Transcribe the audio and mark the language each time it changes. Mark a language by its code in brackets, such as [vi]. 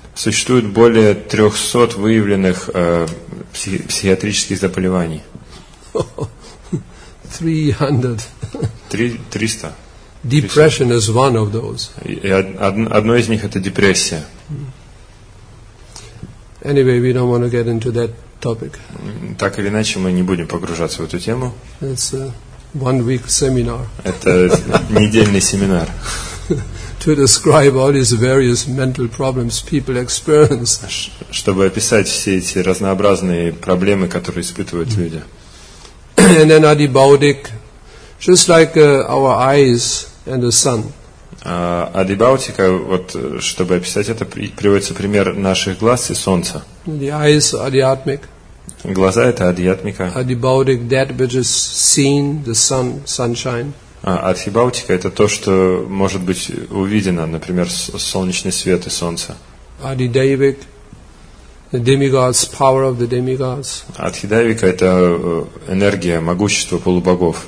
[ru] Существует более 300 выявленных психиатрических заболеваний. 300. 300. [en] Depression is one of those. [ru] Одно из них — это депрессия. [en] Anyway, we don't want to get into that topic. [ru] Так или иначе, мы не будем погружаться в эту тему. [en] It's a one-week seminar. [ru] Это недельный семинар. [en] To describe all these various mental problems people experience. [ru] Чтобы описать все эти разнообразные проблемы, которые испытывают люди. [en] And then adibautic, just like our eyes and the sun. [ru] Адибаутика, вот чтобы описать это, приводится пример наших глаз и солнца. [en] The eyes are adiatmic. [ru] Глаза — это адиатмика. [en] Adibautic, that which is seen, the sun, sunshine. [ru] Адибаутика — это то, что может быть увидено, например, солнечный свет и солнце. [en] Адидевик. The demigods, power of the demigods. [ru] Адхидайвика – это энергия, могущество полубогов.